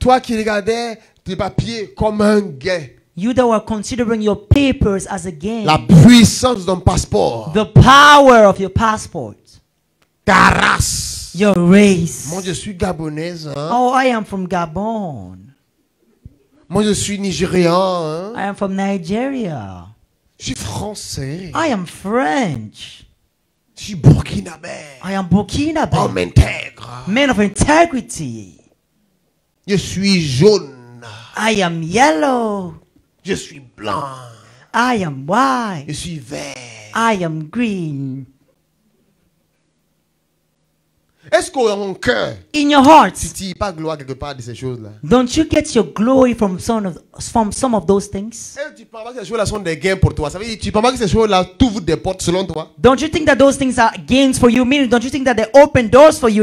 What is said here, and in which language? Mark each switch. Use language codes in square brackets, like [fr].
[fr] Toi qui regardais tes papiers comme un gain. [en] You that were considering your papers as a gain. [fr] La puissance d'un passeport. [en] The power of your passport. [fr] Ta race. [en] Your race. [fr] Moi je suis gabonaise. Hein? [en] Oh, I am from Gabon. [fr] Moi, je suis Nigérian. Hein? [en] I am from Nigeria. [fr] Je suis Français. [en] I am French. [fr] Je suis Burkinabé. [en] I am Burkinabé. [fr] Homme intègre. [en] Man of integrity. [fr] Je suis jaune. [en] I am yellow. [fr] Je suis blanc. [en] I am white. [fr] Je suis vert. [en] I am green. [fr] Est-ce que dans ton cœur, [en] in your heart, [fr] tu tires pas gloire quelque part de ces choses-là? [en] Don't you get your glory from some of those things? [fr] Et tu penses que ces choses-là sont des gains pour toi? Ça veut dire tu penses que ces choses-là t'ouvrent des portes selon toi? [en] Don't you think that those things are gains for you? Meaning, don't you think that they open doors for you?